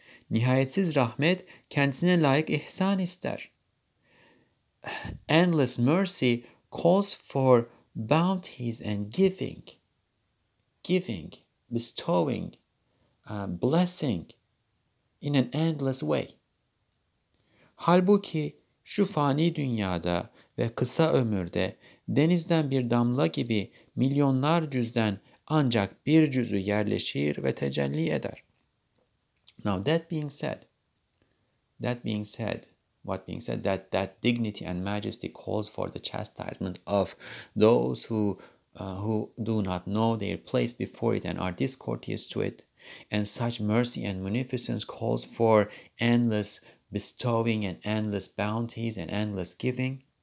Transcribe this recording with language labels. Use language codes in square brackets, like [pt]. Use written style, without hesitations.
[tr] Nihayetsiz rahmet, kendisine layık ihsan ister. [en] Endless mercy calls for bounties and giving, bestowing, blessing in an endless way. [tr] Halbuki şu fani dünyada ve kısa ömürde denizden bir damla gibi milyonlar cüzden ancak bir cüzü yerleşir ve tecelli eder. [en] Now that being said, that dignity and majesty calls for the chastisement of those who do not know their place before it and are discourteous to it, and such mercy and munificence calls for endless bestowing and endless bounties and endless giving.